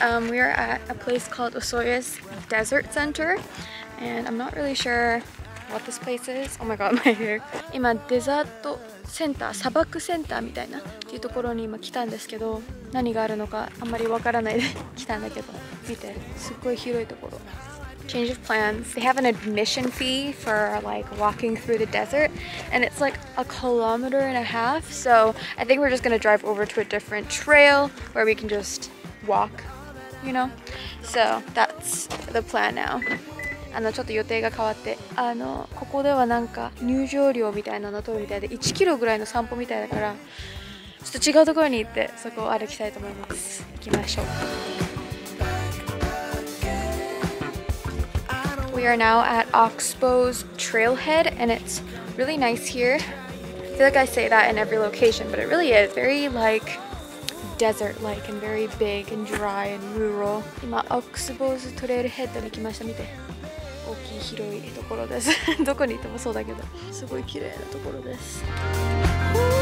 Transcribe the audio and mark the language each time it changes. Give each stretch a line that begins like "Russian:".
English: we are at a place called Osoyoos Desert Center, and I'm not really sure what this place is. Oh my god, my hair.
Japanese: 今デザートセンター、砂漠センターみたいなっていうところに今来たんですけど、何があるのかあんまりわからないで来たんだけど、見て、すっごい広いところ。
English: change of plans. They have an admission fee for like walking through the desert, and it's like a kilometer and a half. So I think we're just gonna drive over to a different trail where we can just walk, you know? So that's the plan now.
Japanese: あのちょっと予定が変わって、あのここではなんか入場料みたいなの取るみたいで1キロぐらいの散歩みたいだからちょっと違うところに行ってそこを歩きたいと思います。行きましょう。
English: We are now at Oxbow's Trailhead and it's really nice here. I feel like I say that in every location, but it really is very like desert-like and very big and dry and rural.
Japanese: 今 Oxbow's Trailhead に行きました。見て、大きい広いところです。どこに行ってもそうだけど、すごい綺麗なところです。